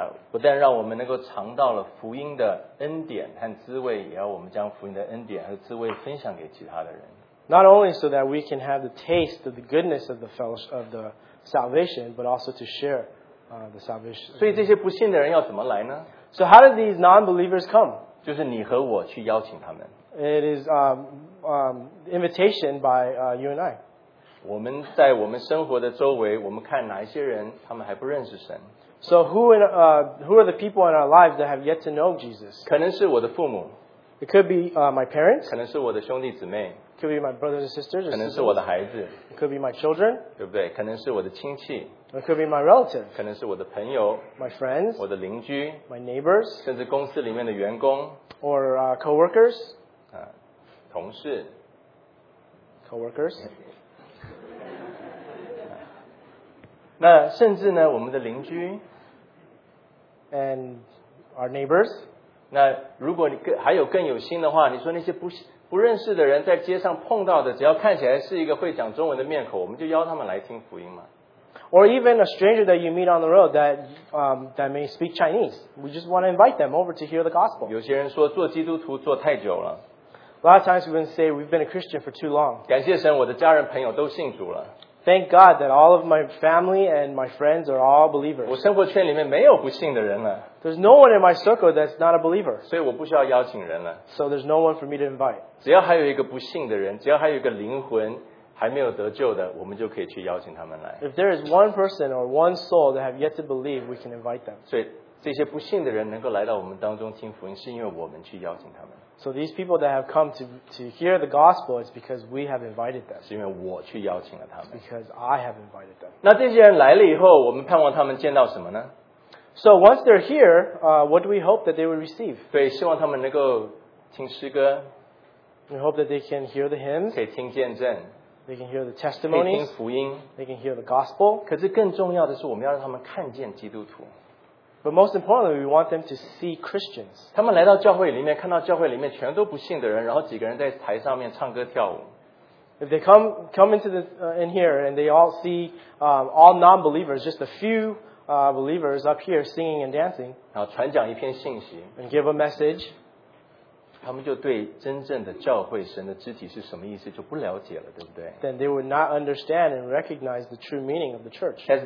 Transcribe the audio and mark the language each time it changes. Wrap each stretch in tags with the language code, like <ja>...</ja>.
<zh>不但让我们能够尝到了福音的恩典和滋味，也要我们将福音的恩典和滋味分享给其他的人。</zh> <en>Not only so that we can have the taste of the goodness of the fellowship of the salvation, but also to share the salvation.</en> <zh>所以这些不信的人要怎么来呢</zh> <en>？So how do these non-believers come？</en> <zh>就是你和我去邀请他们。</zh> <en>It is invitation by you and I.</en> <zh>我们在我们生活的周围，我们看哪一些人，他们还不认识神。</zh> <en>So who are the people in our lives that have yet to know Jesus?</en> <zh>可能是我的父母。</zh> <en>It could be my parents.</en> <zh>可能是我的兄弟姊妹。</zh> <en>Could be my brothers and sisters.</en> <zh>可能是我的孩子。</zh> <en>It could be my children.</en> <zh>对不对？可能是我的亲戚。</zh> <en>It could be my relative.</en> <zh>可能是我的朋友。</zh> <en>My friends.</en> <zh>我的邻居。</zh> <en>My neighbors.</en> <zh>甚至公司里面的员工。</zh> <en>Or coworkers.</en> <zh>同事。</zh> <en>Coworkers.</en> <zh>那甚至呢，我们的邻居。</zh> <en>And our neighbors.</en> <zh>那如果你还有更有心的话，你说那些不认识的人在街上碰到的，只要看起来是一个会讲中文的面孔，我们就邀他们来听福音嘛。</zh> <en>Or even a stranger that you meet on the road that may speak Chinese. We just want to invite them over to hear the gospel.</en> <zh>有些人说做基督徒做太久了。</zh> <en>A lot of times we've been say we've been a Christian for too long.</en> <zh>感谢神，我的家人朋友都信主了。</zh> <en>Thank God that all of my family and my friends are all believers.</en> <zh>我生活圈里面没有不信的人了。</zh> <en>There's no one in my circle that's not a believer.</en> <zh>所以我不需要邀请人了。</zh> <en>So there's no one for me to invite.</en> <zh>只要还有一个不信的人，只要还有一个灵魂还没有得救的，我们就可以去邀请他们来。</zh> <en>If there is one person or one soul that have yet to believe, we can invite them.</en> <zh>所以这些不信的人能够来到我们当中听福音，是因为我们去邀请他们。</zh> <en>So these people that have come to hear the gospel is because we have invited them.</en> <zh>是因为我去邀请了他们。</zh> <en>Because I have invited them.</en> <zh>那这些人来了以后，我们盼望他们见到什么呢</zh> <en>？So once they're here, what do we hope that they will receive?</en> <zh>对，希望他们能够听诗歌。</zh> <en>We hope that they can hear the hymns.</en> <zh>可以听见证。</zh> <en>They can hear the testimonies.</en> <zh>可以听福音,</zh> <en>they can hear the gospel.</en> <zh>可是更重要的是我们要让他们看见基督徒。</zh> <en>But most importantly, we want them to see Christians.</en> <zh>他们来到教会里面, 看到教会里面全都不信的人, 然后几个人在台上面唱歌跳舞。</zh> <en>If they come into the in here and they all see all non-believers, just a few believers up here singing and dancing,</en> <zh>然后传讲一篇信息,</zh> <en>and give a message,</en> <zh>他们就对真正的教会神的肢体是什么意思就不了解了，对不对？</zh> <en>Then they would not understand and recognize the true meaning of the church.</en>